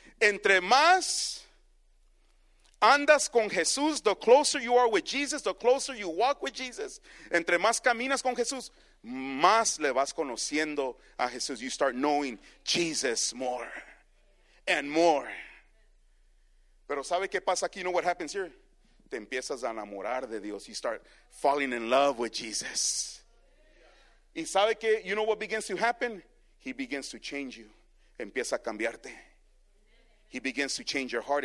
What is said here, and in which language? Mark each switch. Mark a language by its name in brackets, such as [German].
[Spanish] Entre más andas con Jesús, [English] the closer you are with Jesus, the closer you walk with Jesus, [Spanish] entre más caminas con Jesús, más le vas conociendo a Jesús. [English] You start knowing Jesus more and more. [Spanish] Pero ¿sabe qué pasa aquí? [English] You know what happens here? [Spanish] Te empiezas a enamorar de Dios. [English] You start falling in love with Jesus. [Spanish] Y ¿sabe qué? [English] You know what begins to happen? He begins to change you. [Spanish] Empieza a cambiarte. [English] He begins to change your heart.